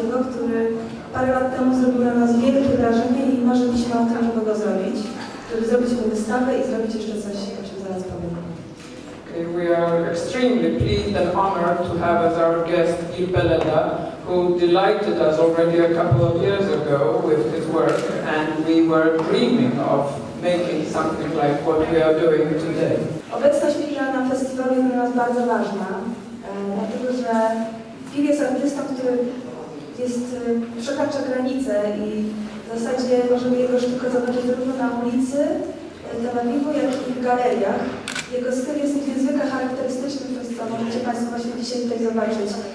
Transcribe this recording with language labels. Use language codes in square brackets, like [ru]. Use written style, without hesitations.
[pl] który parę lat temu zrobił na nas wielkie wrażenie i marzyliśmy o tym, żeby go zrobić, żeby zrobić tę wystawę i zrobić jeszcze coś, o czym zaraz powiem. [en] Okay, we are extremely pleased and honored to have as our guest Gil Pelleda, who delighted us already a couple of years ago with his work, and we were dreaming of making something like what we are doing today. [pl] Obecność Gila na festiwalu jest dla nas bardzo ważna, dlatego że Gil jest artystą, który jest przekracza granice i w zasadzie możemy jego sztukę zobaczyć zarówno na ulicy, na Tel-Awiwu, jak i w galeriach. Jego styl jest niezwykle charakterystyczny, to jest to, możecie Państwo właśnie dzisiaj tutaj zobaczyć.